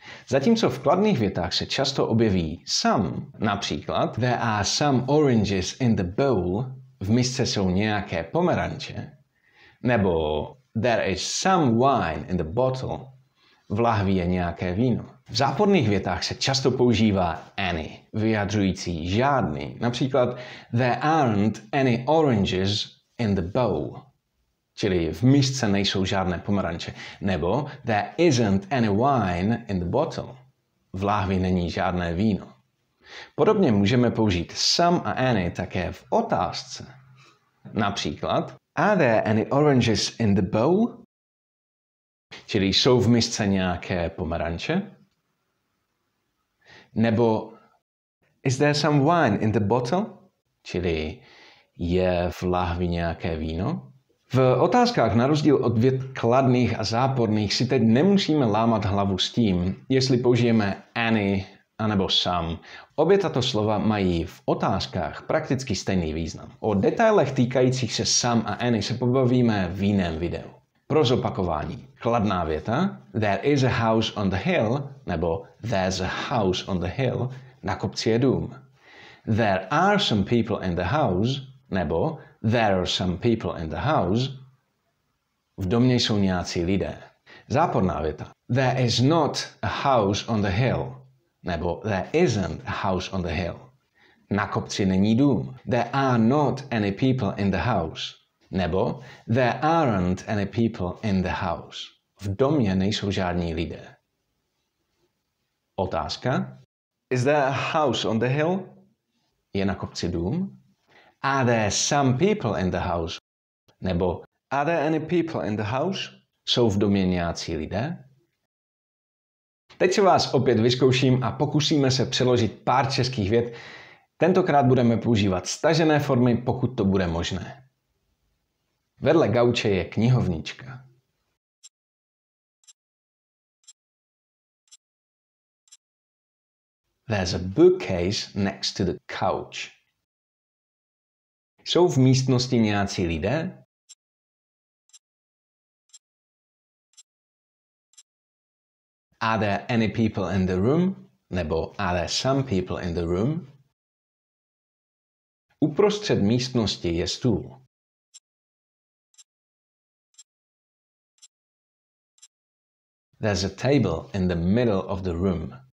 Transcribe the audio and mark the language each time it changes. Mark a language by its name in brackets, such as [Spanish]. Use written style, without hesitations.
[Czech] Zatímco v kladných větách se často objeví some, například [English] there are some oranges in the bowl, [Czech] v misce jsou nějaké pomeranče, nebo [English] there is some wine in the bottle, [Czech] v lahvi je nějaké víno. V záporných větách se často používá any, vyjadřující žádný. Například, [English] there aren't any oranges in the bowl. [Czech] Čili v misce nejsou žádné pomeranče. Nebo, [English] there isn't any wine in the bottle. [Czech] V lahvi není žádné víno. Podobně můžeme použít some a any také v otázce. Například, [English] are there any oranges in the bowl? [Czech] Čili jsou v misce nějaké pomeranče? Nebo [English] is there some wine in the bottle? [Czech] Čili je v lahvi nějaké víno? V otázkách na rozdíl od vět kladných a záporných si teď nemusíme lámat hlavu s tím, jestli použijeme any anebo some. Obě tato slova mají v otázkách prakticky stejný význam. O detailech týkajících se some a any se pobavíme v jiném videu. Pro zopakování. Kladná věta, [English] there is a house on the hill, [Czech] nebo [English] there's a house on the hill, [Czech] na kopci je dům. [English] There are some people in the house, [Czech] nebo [English] there are some people in the house, [Czech] v domě jsou nějací lidé. Záporná věta, [English] there is not a house on the hill, [Czech] nebo [English] there isn't a house on the hill, [Czech] na kopci není dům. [English] There are not any people in the house. [Czech] Nebo [English] there aren't any people in the house. [Czech] V domě nejsou žádní lidé. Otázka. [English] Is there a house on the hill? [Czech] Je na kopci dům? [English] Are there some people in the house? [Czech] Nebo [English] are there any people in the house? [Czech] Jsou v domě nějací lidé? Teď se vás opět vyzkouším a pokusíme se přeložit pár českých vět. Tentokrát budeme používat stažené formy, pokud to bude možné. Vedle gauče je knihovnička. [English] There's a bookcase next to the couch. [Czech] Jsou v místnosti nějací lidé? [English] Are there any people in the room? [Czech] Nebo [English] are there some people in the room? [Czech] Uprostřed místnosti je stůl. [English] There's a table in the middle of the room.